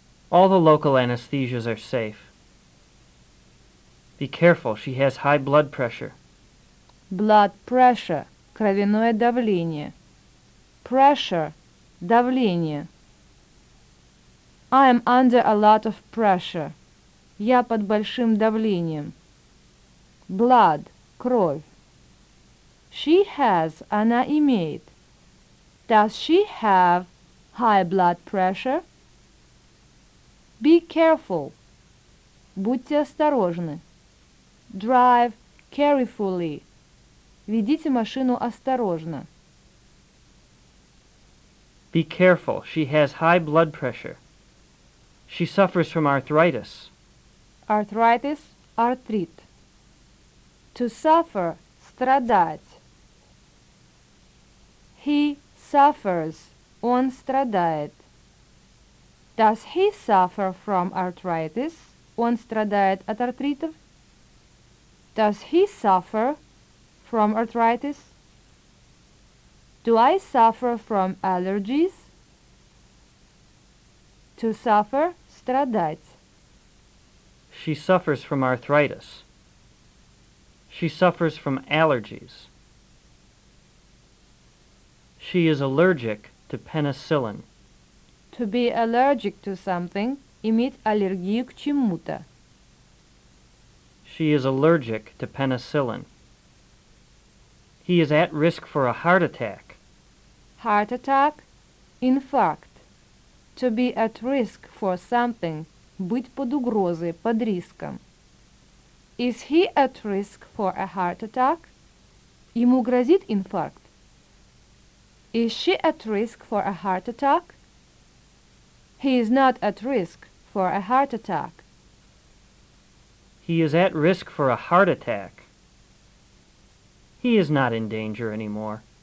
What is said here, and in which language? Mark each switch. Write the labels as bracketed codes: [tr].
[en] All the local anesthesias are safe. Be careful, she has high blood pressure. Blood pressure [ru] – кровяное давление. [en] Pressure [ru] – давление. [en] I am under a lot of pressure. [ru] Я под большим давлением. [en] Blood [ru] – кровь. [en] She has [ru] – она имеет. [en] Does she have high blood pressure? Be careful. [ru] Будьте осторожны. [en] Drive carefully. [ru] Ведите машину осторожно. [en] Be careful. She has high blood pressure. She suffers from arthritis. Arthritis – [ru] артрит. [en] To suffer – [ru] страдать. [en] He suffers. [ru] Он страдает. [en] Does he suffer from arthritis? [ru] Он страдает от артритов? [en] Does he suffer from arthritis? Do I suffer from allergies? To suffer – [ru] страдать. [en] She suffers from arthritis. She suffers from allergies. She is allergic to penicillin. To be allergic to something [ru] – иметь аллергию к чему-то. [en] She is allergic to penicillin. He is at risk for a heart attack. Heart attack? Infarct. To be at risk for something. [ru] Быть под угрозой, под риском. [en] Is he at risk for a heart attack? [ru] Ему грозит инфаркт. [en] Is she at risk for a heart attack? He is not at risk for a heart attack. He is at risk for a heart attack. He is not in danger anymore.